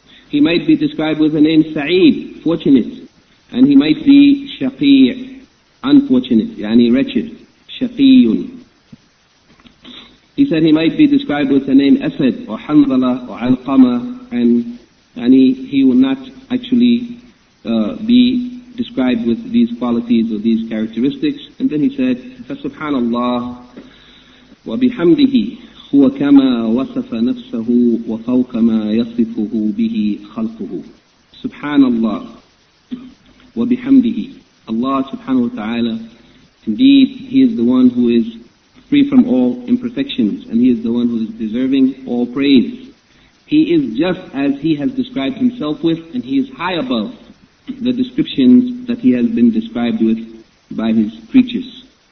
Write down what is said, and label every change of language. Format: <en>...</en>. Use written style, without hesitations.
<en>He might be described with the name Sa'id, fortunate, and he might be Shaqi', unfortunate, yani wretched, Shaqiyun. He said he might be described with the name Asad, or Hanzala, or Alqama, and he will not actually be described with these qualities or these characteristics. And then he said,</en> <ar>فَسُبْحَانَ وَبِحَمْدِهِ هُوَ كَمَا وَصَفَ نَفْسَهُ وَفَوْقَ مَا يَصِفُهُ بِهِ خَلْقُهُ. سُبْحَانَ اللَّهِ وَبِحَمْدِهِ.</ar> <en>Allah subhanahu wa ta'ala, indeed, He is the one who is free from all imperfections, and He is the one who is deserving all praise. He is just as He has described Himself with, and He is high above the descriptions that He has been described with by His creatures.</en>